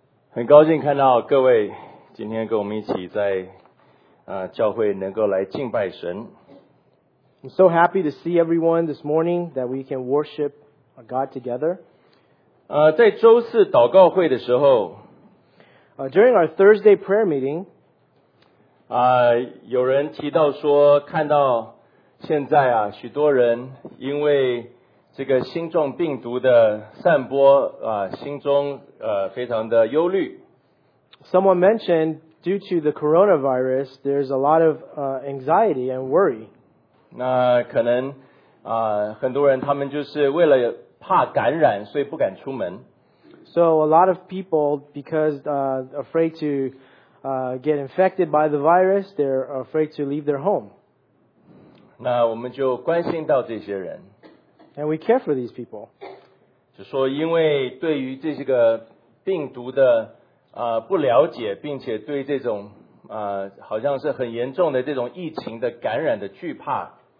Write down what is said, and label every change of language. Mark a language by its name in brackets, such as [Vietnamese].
[Chinese] 很高兴看到各位今天跟我们一起在教会能够来敬拜神。 [English] I'm so happy to see everyone this morning that we can worship our God together. [Chinese] 在周四祷告会的时候 [English] During our Thursday prayer meeting, [Chinese] 有人提到说，看到现在啊，许多人因为这个新冠病毒的散播啊，心中非常的忧虑。 [English] Someone mentioned due to the coronavirus, there's a lot of anxiety and worry. [Chinese] 那可能很多人他们就是为了怕感染，所以不敢出门。 [English] So a lot of people, because afraid to get infected by the virus, they're afraid to leave their home. [Chinese] 那我们就关心到这些人。 [English] And we care for these people. [Chinese] 就说因为对于这些个病毒的不了解，并且对这种好像是很严重的这种疫情的感染的惧怕。